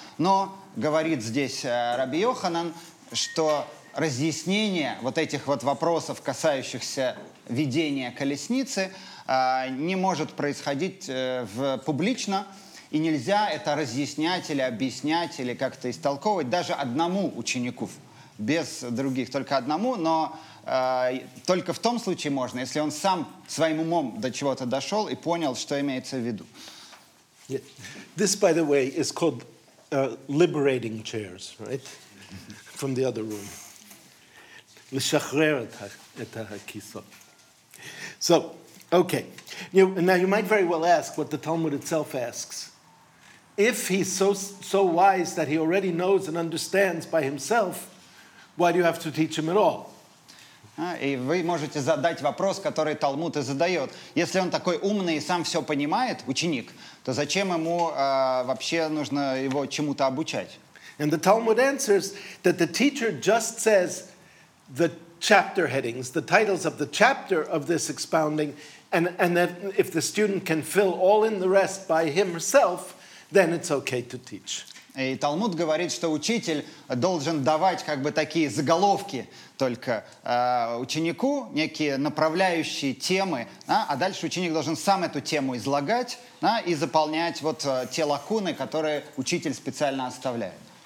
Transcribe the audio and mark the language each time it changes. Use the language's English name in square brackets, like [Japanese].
[Russian] Но говорит здесь Рабби Йоханан, что разъяснение вот этих вот вопросов, касающихся видения колесницы, не может происходить публично, и нельзя это разъяснять или объяснять, или как-то истолковывать даже одному ученику, без других, только одному, но только в том случае можно, если он сам своим умом до чего-то дошел и понял, что имеется в виду. [English] Yeah. This, by the way, is called liberating chairs, right? From the other room. [Hebrew] Лешахрер את הכיסות. [English] So, okay. Now you might very well ask what the Talmud itself asks. If he's so wise that he already knows and understands by himself, why do you have to teach him at all? [Russian] И вы можете задать вопрос, который Талмуд и задает. Если он такой умный и сам все понимает, ученик, то зачем ему вообще нужно его чему-то обучать? [English] And the Talmud answers that the teacher just says the chapter headings, the titles of the chapter of this expounding, and that if the student can fill all in the rest by himself, then it's okay to teach. [Russian] И Талмуд говорит, что учитель должен давать как бы такие заголовки только ученику, некие направляющие темы, а дальше ученик должен сам эту тему излагать и заполнять вот те лакуны, которые учитель специально оставляет.